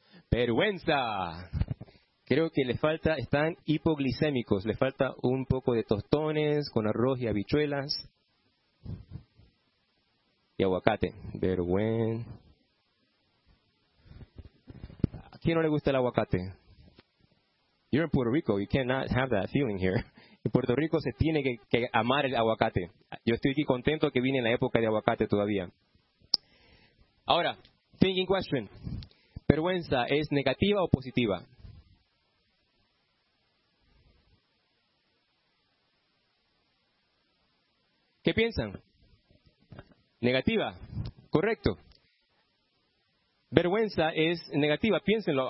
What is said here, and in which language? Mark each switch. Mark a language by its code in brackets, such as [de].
[es] ¡Vergüenza! Creo que les falta, están hipoglicémicos, les falta un poco de tostones con arroz y habichuelas y aguacate. Vergüenza. ¿A quién no le gusta el aguacate? [en] You're in Puerto Rico, you cannot have that feeling here. [es] En Puerto Rico se tiene que amar el aguacate. Yo estoy aquí contento que vine en la época de aguacate todavía. [en] Ahora, thinking question. [es] ¿Vergüenza es negativa o positiva? ¿Qué piensan? Negativa. Correcto. Vergüenza es negativa. Piénsenlo.